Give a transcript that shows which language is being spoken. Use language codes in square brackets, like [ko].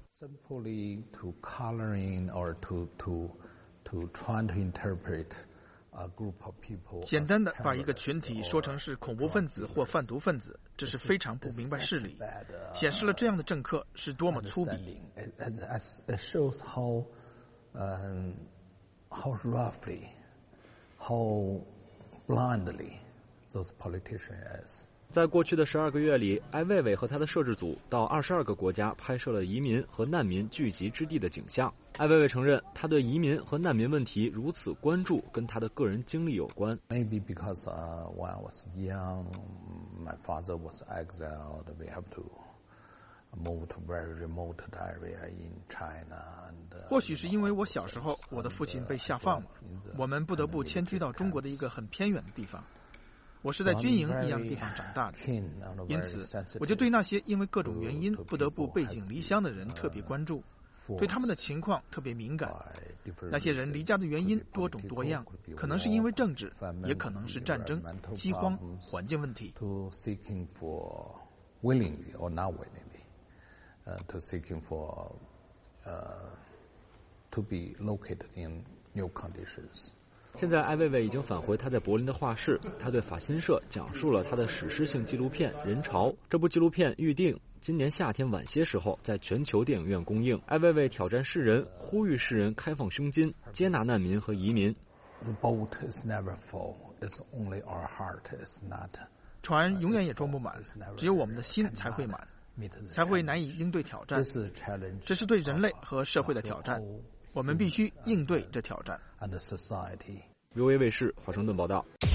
[en] Simply to coloring or to try to interpret a group of people. [zh] 简单的把一个群体说成是恐怖分子或贩毒分子，这是非常不明白事理，显示了这样的政客是多么粗鄙。 [en] It shows how roughly, how blindly those politicians is. [zh] 在过去的十二个月里，艾薇薇和他的摄制组到22个国家拍摄了移民和难民聚集之地的景象。艾薇薇承认，他对移民和难民问题如此关注，跟他的个人经历有关。 [en] Maybe because when I was young, my father was exiled. We have to move to very remote area in China. [zh] 或许是因为我小时候，我的父亲被下放了，我们不得不迁居到中国的一个很偏远的地方。我是在军营一样的地方长大的，因此我就对那些因为各种原因不得不背井离乡的人特别关注，对他们的情况特别敏感。那些人离家的原因多种多样，可能是因为政治，也可能是战争、饥荒、环境问题。 [en] To seeking for willingly or not willingly, to seeking for to be located in new conditions. [zh] 现在艾薇薇已经返回她在柏林的画室，她对法新社讲述了她的史诗性纪录片《人潮》。这部纪录片预定今年夏天晚些时候在全球电影院公映。艾薇薇挑战世人，呼吁世人开放胸襟，接纳难民和移民。 [en] The boat is never full, it's only our heart is not. [zh] 船永远也装不满，只有我们的心才会满，才会难以应对挑战。这是对人类和社会的挑战。我们必须应对这挑战。 [en] And society. [zh] VOA 卫视华盛顿报道。